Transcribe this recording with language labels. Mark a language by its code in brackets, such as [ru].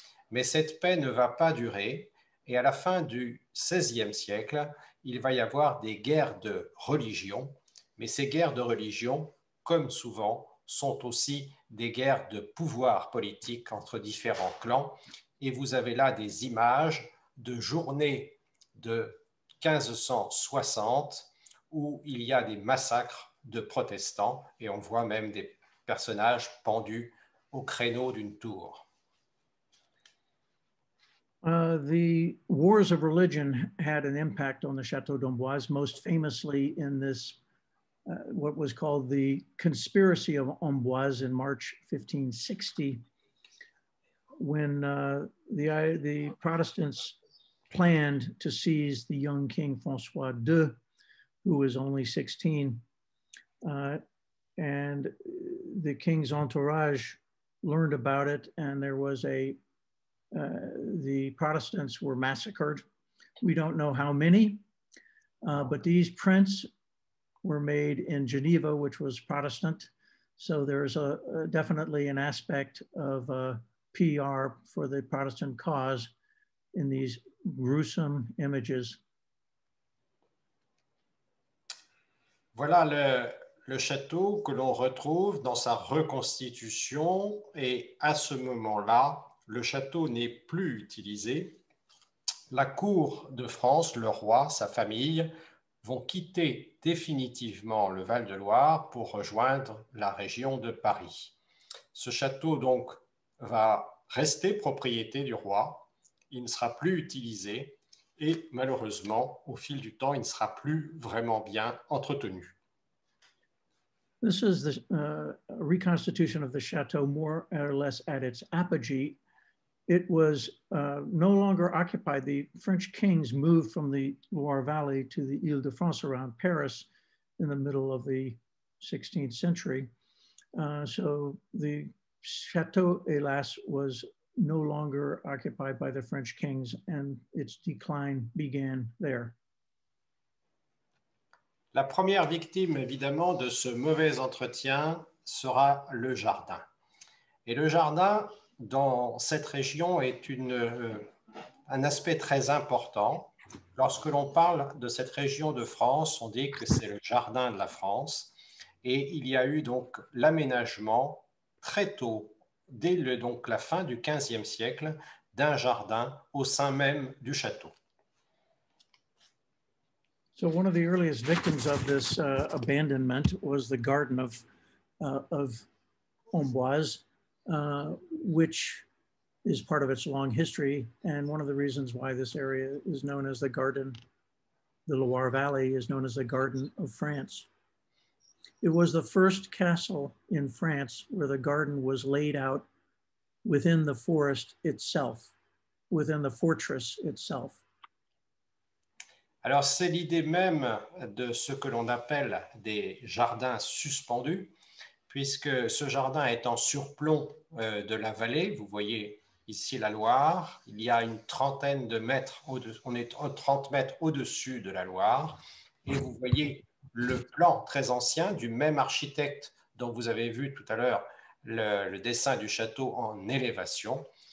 [fr] Mais cette paix ne va pas durer, et à la fin du XVIe siècle, il va y avoir des guerres de religion, mais ces guerres de religion, comme souvent, sont aussi des guerres de pouvoir politique entre différents clans. Et vous avez là des images de journées de 1560 où il y a des massacres de protestants et on voit même des personnages pendus au créneau d'une tour. [en] The wars of religion had an impact on the Château d'Amboise, most famously in this, what was called the Conspiracy of Amboise in March 1560, when the Protestants planned to seize the young king François II, who was only 16. And the king's entourage learned about it, and there was the Protestants were massacred. We don't know how many, but these prints were made in Geneva, which was Protestant. So there's definitely an aspect of PR for the Protestant cause in these gruesome images. [fr] Voilà le château que l'on retrouve dans sa reconstitution. Et à ce moment-là, le château n'est plus utilisé. La cour de France, le roi, sa famille, vont quitter définitivement le Val-de-Loire pour rejoindre la région de Paris. Ce château, donc, va rester propriété du roi. Il ne sera plus utilisé et, malheureusement, au fil du temps, il ne sera plus vraiment bien entretenu. [en] This is the reconstitution of the château more or less at its apogee. It was no longer occupied. The French kings moved from the Loire Valley to the Ile-de-France around Paris in the middle of the 16th century. So the Château, [fr] hélas, [en] was no longer occupied by the French kings and its decline began there. [fr] La première victime, évidemment, de ce mauvais entretien sera le jardin. Et le jardin, dans cette région, est un aspect très important. Lorsque l'on parle de cette région de France, on dit que c'est le jardin de la France. Et il y a eu donc l'aménagement très tôt, dès la fin du XVe siècle, d'un jardin au sein même du château. [en] So one of the earliest victims of this abandonment was the garden of Amboise, which is part of its long history. And one of the reasons why this area is known as the garden, the Loire Valley is known as the Garden of France. It was the first castle in France where the garden was laid out within the forest itself, within the fortress itself. [fr] Alors c'est l'idée même de ce que l'on appelle des jardins suspendus, puisque ce jardin est en surplomb de la vallée. Vous voyez ici la Loire, il y a une trentaine de mètres, on est 30 mètres au-dessus de la Loire, et vous voyez le plan très ancien du même architecte dont vous avez vu tout à l'heure le dessin du château en élévation.